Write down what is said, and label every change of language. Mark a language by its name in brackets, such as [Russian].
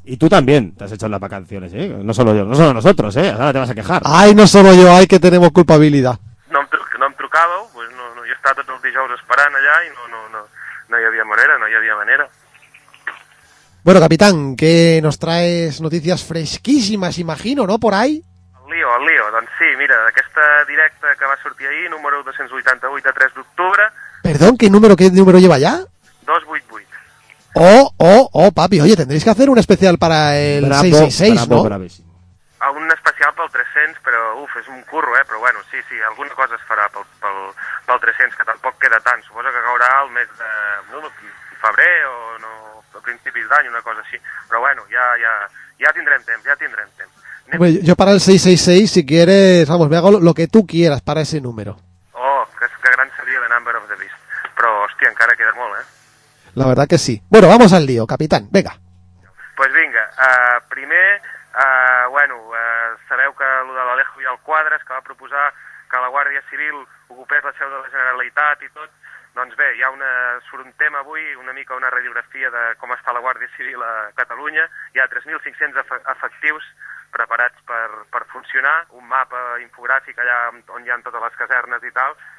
[Spanish] Y tú también te has hecho las vacaciones, ¿eh? No solo yo, no solo nosotros, ¿eh? Ahora te vas a quejar. Ay, no solo yo, ay, que tenemos culpabilidad. No me trucado, pues no, no, yo estaba todo el dijous esperando allá y no había manera, no había manera. Bueno, capitán, que nos traes noticias fresquísimas, imagino, ¿no? Por ahí. [Catalan] El lío, doncs sí, mira, aquesta directa que va sortir ahir, número 288 de 3 d'octubre. [Spanish] Perdón, ¿qué número lleva ya? 288. Oh, papi, oye, tendréis que hacer un especial para el bravo, 666, bravo, ¿no? Bravísimo. [Catalan] Un especial pel 300, però uf, és un curro, eh? Però bueno, sí, sí, alguna cosa es farà pel 300, que tampoc queda tant. Suposo que caurà el mes de febrer o no, a principis d'any, una cosa així. Però bueno, ja tindrem temps, ja tindrem temps. Anem... Bé, jo [Spanish] para el 666, si quieres, vamos, me hago lo que tú quieras para ese número. [Catalan] Oh, que gran seria [English] the number of the beast. [Catalan] Però, hòstia, encara queda molt, eh? [Spanish] La verdad que sí. Bueno, vamos al lío, capitán, venga. [Catalan] Pues venga, primer, bueno, sabeu que lo de l'Alejo i el Quadres, que va proposar que la Guàrdia Civil ocupés la seu de la Generalitat i tot, doncs bé, hi ha una, surt un tema avui, una mica una radiografia de com està la Guàrdia Civil a Catalunya, hi ha 3.500 efectius preparats per funcionar, un mapa infogràfic allà on hi ha totes les casernes i tal.